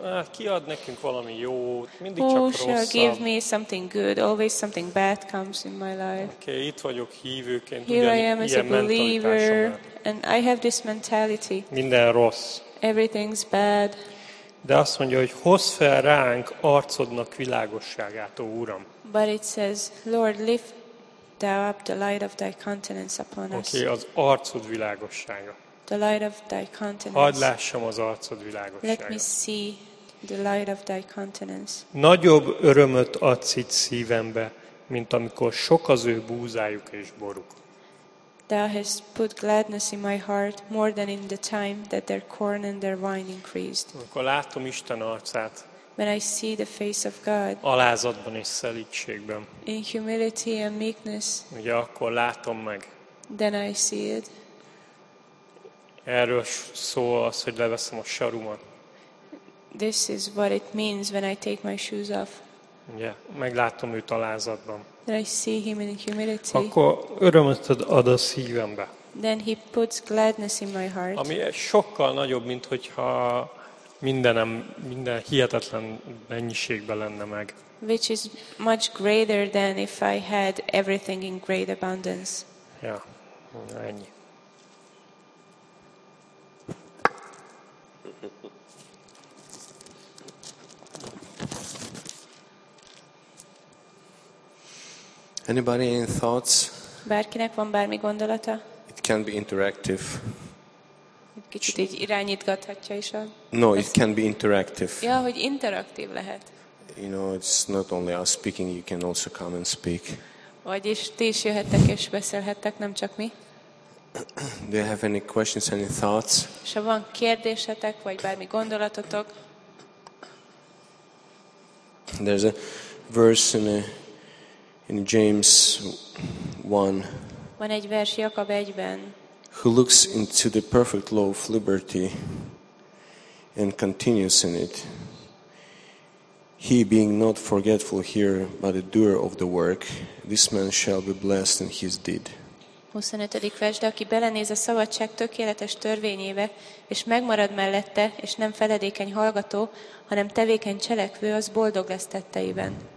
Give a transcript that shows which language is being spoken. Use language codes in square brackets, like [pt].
[hu] Ki ad nekünk valami jót, mindig [en] who [hu] csak rosszat. [en] Who shall give me something good? Always something bad comes in my life. [hu] Okay, itt vagyok hívőként. [en] Here I am as a believer, and I have this mentality. [hu] Minden rossz. [en] Everything's bad. [hu] De azt mondja, hogy hozz fel ránk arcodnak világosságát, ó Uram. [en] But it says, Lord, lift thou up the light of thy countenance upon us. [hu] Oké, okay, az arcod világossága. [en] The light of thy countenance. [hu] Hadd lássam az arcod világossága. [en] Let me see the light of thy countenance. [hu] Nagyobb örömöt adsz itt szívembe, mint amikor sok az ő búzájuk és boruk. [en] Thou hast put gladness in my heart more than in the time that their corn and their wine increased. [hu] Amikor látom Isten arcát, [en] when I see the face of God, [hu] alázatban és szelídségben, [en] in humility and meekness, [hu] ugye akkor látom meg, [en] then I see it. [hu] Erről szól az, hogy leveszem a sarumat. [en] This is what it means when I take my shoes off. [hu] Ugye, meglátom őt alázatban. [en] Then I see him in humility. [hu] Akkor örömet ad a szívembe. [en] Then he puts gladness in my heart. [hu] Ami sokkal nagyobb, mint hogyha minden hihetetlen mennyiségben lenne meg. [en] Which is much greater than if I had everything in great abundance. [hu] Ja, ennyi. [en] Anybody any thoughts? [hu] Bárkinek van bármi gondolata? [en] It can be interactive. [hu] Egy kicsit így irányítgathatja is. [en] No, it can be interactive. [hu] Ja, hogy interaktív lehet. [en] You know, it's not only us speaking, you can also come and speak. [hu] Vagyis ti is jöhettek és beszélhettek, nem csak mi. [en] Do you have any questions, any thoughts? [hu] És ha van kérdésetek, vagy bármi gondolatotok? [en] There's a verse in James 1. [hu] Van egy vers Jakab 1-ben. [en] Who looks into the perfect law of liberty and continues in it. He being not forgetful here, but a doer of the work, this man shall be blessed in his deed. [hu] 25. vers, de aki belenéz a szabadság tökéletes törvényébe, és megmarad mellette, és nem feledékeny hallgató, hanem tevékeny cselekvő, az boldog lesz tetteiben.